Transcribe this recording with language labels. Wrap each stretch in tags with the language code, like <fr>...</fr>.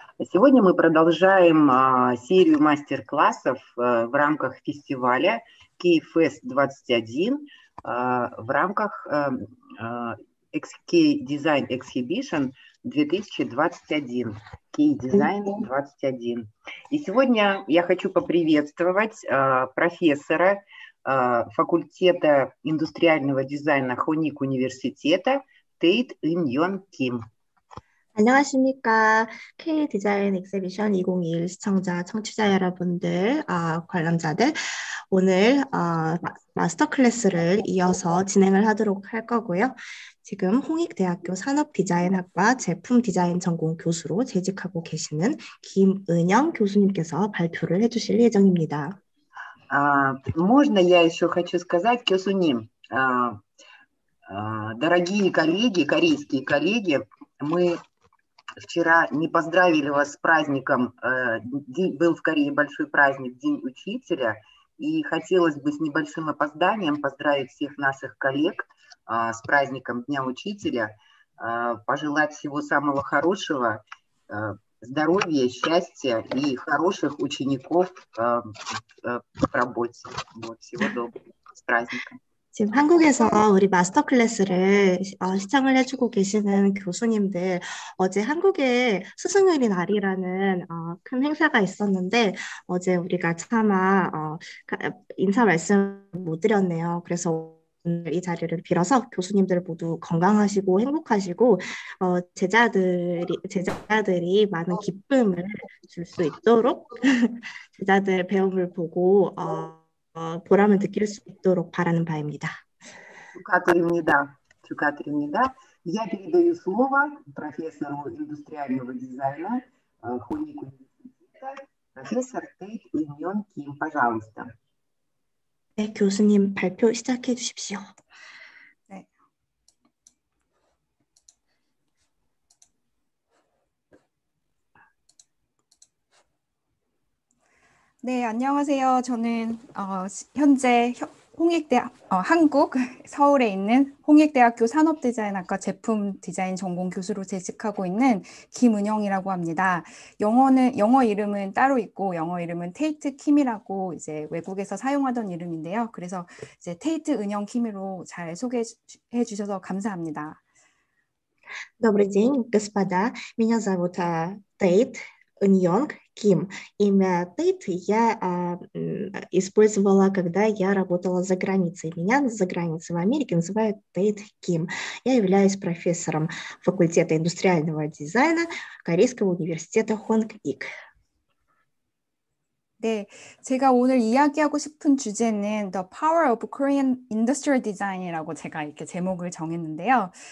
<ru>Сегодня мы продолжаем серию мастер-классов в рамках фестиваля KFest 21 в рамках K-Design Exhibition 2021. K-Design 21. И сегодня я хочу поприветствовать профессора факультета индустриального дизайна Хоник университета Тейт Ин Йон Ким.</ru> <ko>안녕하십니까. K-Design Exhibition 2021 시청자, 청취자 여러분들, 관람자들. 오늘 마스터 클래스를 이어서 진행을 하도록 할 거고요. 지금 홍익대학교 산업디자인학과 제품디자인 전공 교수로 재직하고 계시는 김은영 교수님께서 발표를 해주실 예정입니다.</ko> <ru>Можно я еще хочу сказать, Кёсуним, дорогие коллеги, корейские коллеги, мы вчера не поздравили вас с праздником, был в Корее большой праздник, День учителя, и хотелось бы с небольшим опозданием поздравить всех наших коллег с праздником Дня учителя, пожелать всего самого хорошего, здоровья, счастья и хороших учеников в работе. Вот, всего доброго. С праздником.</ru> <ko>지금 한국에서 우리 마스터 클래스를 시청을 해주고 계시는 교수님들, 어제 한국의 스승의 날이라는 큰 행사가 있었는데 어제 우리가 차마 인사 말씀 못 드렸네요. 그래서 오늘 이 자리를 빌어서 교수님들 모두 건강하시고 행복하시고 제자들이 많은 기쁨을 줄 수 있도록 제자들 배움을 보고 보람을 느낄 수 있도록 바라는 바입니다. 축하드립니다. 축하드립니다.</ko> <ru>Я передаю слово профессору индустриального дизайна Хоник университета профессор Тейт Ин Йон Ким, пожалуйста.</ru> <ko>네, 교수님 발표 시작해 주십시오. 네, 안녕하세요. 저는 현재 한국 서울에 있는 홍익대학교 산업디자인학과 제품 디자인 전공 교수로 재직하고 있는 김은영이라고 합니다. 영어 이름은 따로 있고 영어 이름은 테이트 킴이라고 이제 외국에서 사용하던 이름인데요. 그래서 이제 테이트 은영 킴으로 잘 소개해 주셔서 감사합니다.</ko> <ru>Добрый день, господа. Меня зовут Тейт Ньонг Ким. Имя Тейт я использовала, когда я работала за границей. Меня за границей в Америке называют Тейт Ким. Я являюсь профессором факультета индустриального дизайна Корейского университета Хонг-Ик.</ru> <ko>네, 제가 오늘 이야기하고 싶은 주제는</ko> <en>The Power of Korean Industrial Design</en> <ko>이라고 제가 이렇게 제목을 정했는데요.</ko>